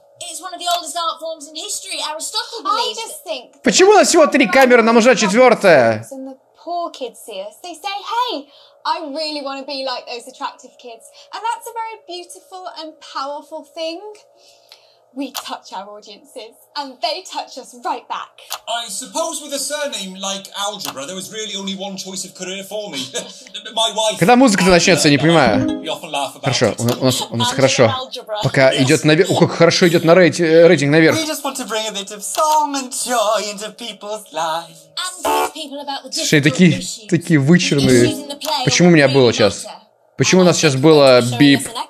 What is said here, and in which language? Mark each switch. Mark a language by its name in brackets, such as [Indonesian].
[English] It's one of the oldest art forms in history. Aristotle believes. I just think. [Russian] Почему у нас всего три камеры, нам уже четвертая? [English] And the poor kids see us. They say, "Hey, I really want to be like those attractive kids," and that's a very beautiful and powerful thing. We touch our audiences, and they touch us right back. I suppose with a surname like Algebra, there was really only one choice of career for me. My wife. [Russian] Когда музыка-то начнется, я не понимаю. Хорошо, у нас хорошо. Пока идет наверх. Ух, как хорошо идет на рейтинг наверх. [English] We just want to bring a bit of song and joy into people's lives. [Russian] Слушай, такие вычурные. Почему у меня было сейчас? Почему у нас сейчас было бип?